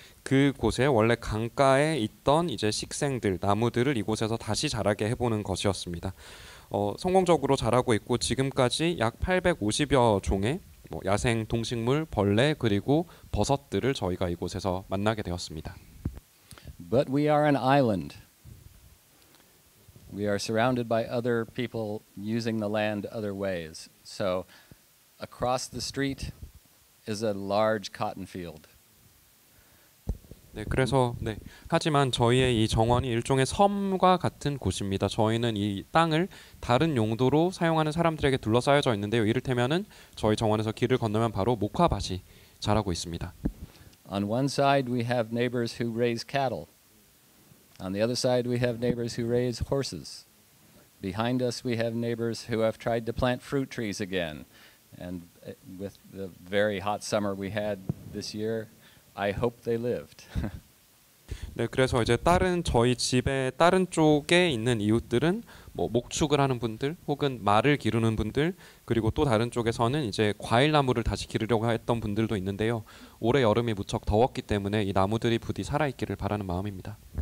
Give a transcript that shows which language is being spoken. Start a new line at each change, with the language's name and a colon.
Korean: 그곳에 원래 강가에 있던 이제 식생들, 나무들을 이곳에서 다시 자라게 해보는 것이었습니다. 성공적으로 자라고 있고 지금까지 약 850여 종의 뭐 야생 동식물, 벌레 그리고 버섯들을 저희가 이곳에서 만나게 되었습니다.
English: But we are an island. We are surrounded by other people using the land other ways. So across the street is a large cotton field.
Korean: 네, 그래서 네. 하지만 저희의 이 정원이 일종의 섬과 같은 곳입니다. 저희는 이 땅을 다른 용도로 사용하는 사람들에게 둘러싸여져 있는데요. 이를테면은 저희 정원에서 길을 건너면 바로 목화밭이 자라고 있습니다.
English: On one side we have neighbors who raise cattle. On the other side we have neighbors who raise horses. Behind us we have neighbors who have tried to plant fruit trees again. And with the very hot summer we had this year, I hope they lived.
Korean: 네, 그래서 이제 다른 저희 집의 다른 쪽에 있는 이웃들은 뭐 목축을 하는 분들, 혹은 말을 기르는 분들, 그리고 또 다른 쪽에서는 이제 과일 나무를 다시 기르려고 했던 분들도 있는데요. 올해 여름이 무척 더웠기 때문에 이 나무들이 부디 살아있기를 바라는 마음입니다.